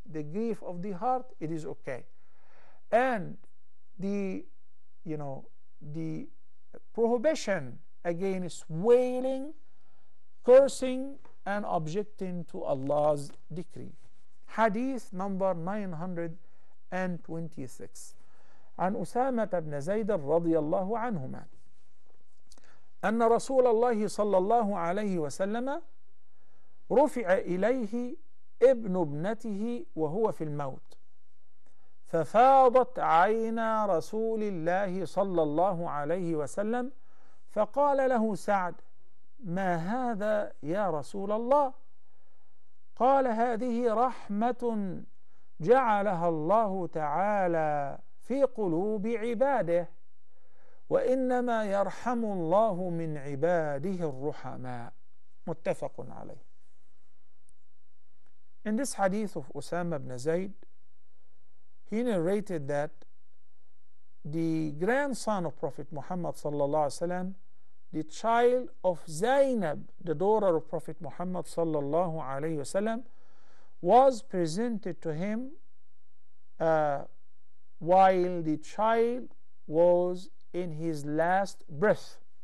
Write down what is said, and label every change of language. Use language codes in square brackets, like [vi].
[en] The grief of the heart, it is okay. And the, you know, the prohibition against wailing, cursing, and objecting to Allah's decree. Hadith number 926. [ar] عن أسامة بن زيد رضي الله عنهما أن رسول الله صلى الله عليه وسلم رفع إليه ابن ابنته وهو في الموت ففاضت عينا رسول الله صلى الله عليه وسلم فقال له سعد ما هذا يا رسول الله قال هذه رحمة جعلها الله تعالى في قلوب عباده وإنما يرحم الله من عباده الرحماء. متفق عليه. [en] In this hadith of Usama ibn Zayd, he narrated that the grandson of Prophet Muhammad sallallahu alaihi wasallam, the child of Zainab, the daughter of Prophet Muhammad sallallahu alaihi wasallam, was presented to him while the child was in his last breath.